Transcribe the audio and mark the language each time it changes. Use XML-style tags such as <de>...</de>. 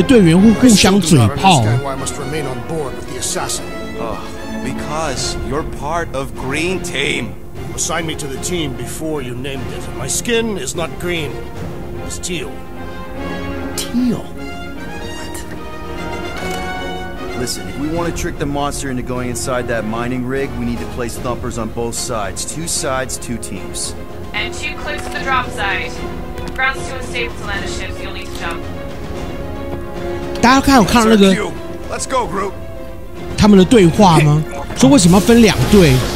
<zh>就跟电影里面差不多，就是这些星际义工队的队员会互相嘴炮。</zh> <en>Oh, because you're part of Green Team. Assign me to the team before you named it. My skin is not green, it's teal. Teal? What? Listen, if we want to trick the monster into going inside that mining rig, we need to place thumpers on both sides. Two sides, two teams. And two clicks to the drop site. Ground's too unstable to land a ship, so you'll need to jump.</en> <zh>大家看，我看到那个。</zh> <en>Let's go, Groot.</en> <zh>他们的对话吗？说为什么要分两队？</zh>